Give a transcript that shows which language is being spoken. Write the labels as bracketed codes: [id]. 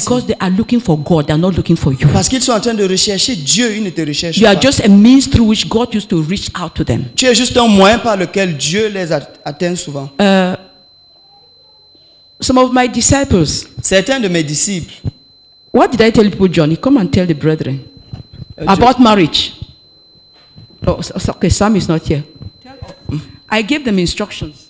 [en] Because they are looking for God, they are not looking for you. [fr] Parce qu'ils sont en train de rechercher Dieu, ils ne te recherchent pas. [en] You are just a means through which God used to reach out to them. [fr] Tu es juste un moyen par lequel Dieu les atteint souvent. [en] Some of my disciples. [fr] Certains de mes disciples. [en] What did I tell people, Johnny? Come and tell the brethren. About marriage. Oh, okay, Sam is not here. I gave them instructions.